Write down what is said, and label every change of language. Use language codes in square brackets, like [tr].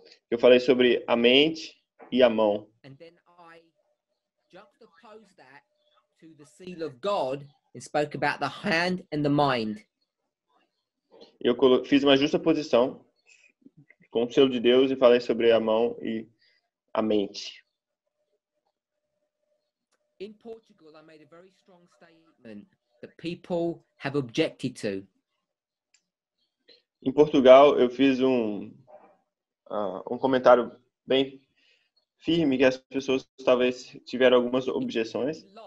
[pt] Eu falei sobre a mente e a mão. [en] And then I juxtaposed that to the seal of God and spoke about the hand and the mind. [pt] Eu fiz uma justaposição com o selo de Deus e falei sobre a mão e a mente. [en] In Portugal, I made a very strong statement that people have objected to. [pt] Em Portugal, eu fiz um comentário bem firme que as pessoas talvez tiveram algumas objeções.